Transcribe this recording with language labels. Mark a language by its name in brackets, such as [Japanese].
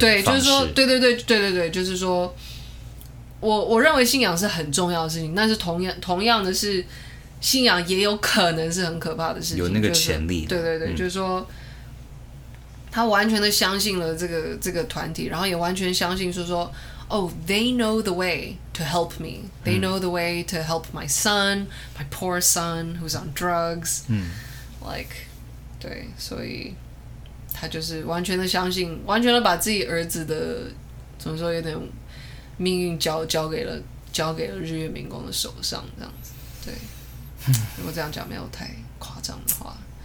[Chinese] 对，就是说，对，就是说，我认为信仰是很重要的事情，但是同样的是，信仰也有可能是很可怕的事情，有那个潜力。就是、对，就是说，他完全的相信了这个团体，然后也完全相信说。 [English] Oh, they know the way to help me. They know the way to help my son, my poor son who's on drugs. [Chinese] Like, 对，所以他就是完全的相信，完全的把自己儿子的怎么说，有点命运交给了日月民工的手上，这样子。对，如果这样讲没有太夸张的话，